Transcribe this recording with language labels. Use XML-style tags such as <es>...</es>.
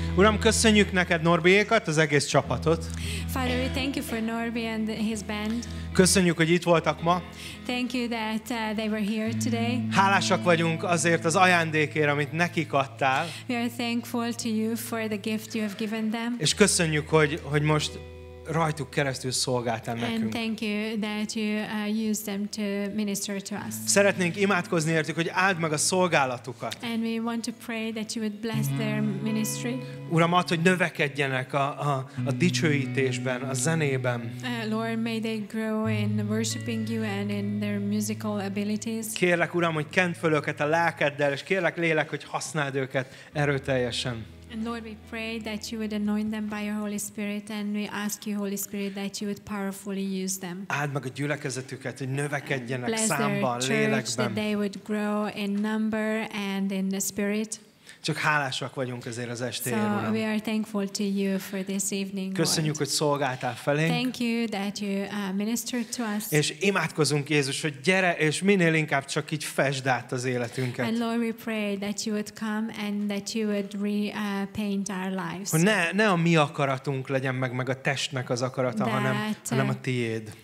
<hu>Uram, köszönjük neked Norbiékat, az egész csapatot.</hu> <en>Father, we thank you for Norbi and his band.</en> <hu>Köszönjük, hogy itt voltak ma.</hu> <en>Thank you that they were here today.</en> <hu>Hálásak vagyunk azért az ajándékért, amit nekik adtál.</hu> <en>We are thankful to you for the gift you have given them.</en> <hu>És köszönjük, hogy most rajtuk keresztül szolgáltál nekünk.</hu> <en>And thank you that you used them to minister to us.</en> <hu>Szeretnénk imádkozni értük, hogy áld meg a szolgálatukat.</hu> <en>And we want to pray that you would bless their ministry.</en> <hu>Uram, add, hogy növekedjenek a dicsőítésben, a zenében.</hu> <en>Lord, may they grow in worshiping you and in their musical abilities.</en> <hu>Kérlek, Uram, hogy kent föl őket a lelkeddel, és kérlek, Lélek, hogy használd őket erőteljesen.</hu> <en>And Lord, we pray that you would anoint them by your Holy Spirit, and we ask you, Holy Spirit, that you would powerfully use them.</en> <hu>Áld meg a gyülekezetüket, hogy növekedjenek</hu> <en>bless</en> <hu>számban,</hu> <en>their church,</en> <hu>lélekben.</hu> <en>That they would grow in number and in the spirit.</en> <hu>Csak hálásak vagyunk ezért az estéért, Uram.</hu> <en>So we are thankful to you for this evening.</en> <hu>Köszönjük,</hu> <en>Lord,</en> <hu>hogy szolgáltál felénk.</hu> <en>Thank you that you ministered to us.</en> <hu>És imádkozunk, Jézus, hogy gyere és minél inkább csak így fesd át az életünket.</hu> <en>And Lord, we pray that you would come and that you would repaint our lives.</en> <hu>Hogy ne a mi akaratunk legyen meg a testnek az akarata, hanem a tiéd.</hu>